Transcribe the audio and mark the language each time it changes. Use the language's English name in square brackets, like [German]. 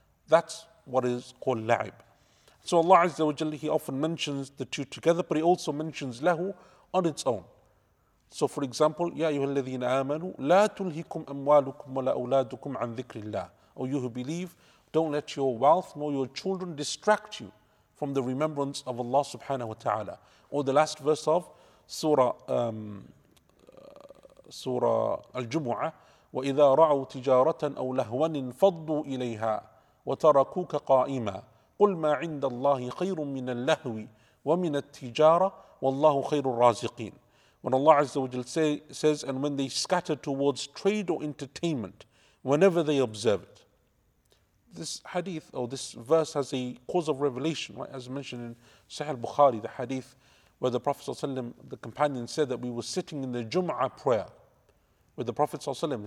[English] That's what is called la'ib. So Allah Azza wa Jalla, He often mentions the two together, but He also mentions lahu on its own. So for example, [Arabic] يَا أَيُّهَا الَّذِينَ آمَنُوا لَا تُلْهِكُمْ أَمْوَالُكُمْ وَلَا أَوْلَادُكُمْ عَنْ ذِكْرِ اللَّهِ. [English] O you who believe, don't let your wealth nor your children distract you from the remembrance of Allah subhanahu wa ta'ala. Or the last verse of Surah Al-Jumu'ah, [Arabic] وَإِذَا رَعُوا تِجَارَةً أَوْ لَهْوَنٍ فَضُّوا إِلَيْهَا وَتَرَكُوكَ قَائِمًا قُلْ مَا عِنْدَ اللَّهِ خَيْرٌ مِنَ اللَّهْوِ وَمِنَ التِّجَارَةِ وَاللَّهُ خَيْرُ الرَّازِقِينَ. [English] When Allah Azza wa Jal says, and when they scatter towards trade or entertainment, whenever they observe it. This hadith or this verse has a cause of revelation, right? As mentioned in Sahih al-Bukhari, the hadith where the Prophet ﷺ, the companion said that we were sitting in the Jum'ah prayer with the Prophet ﷺ.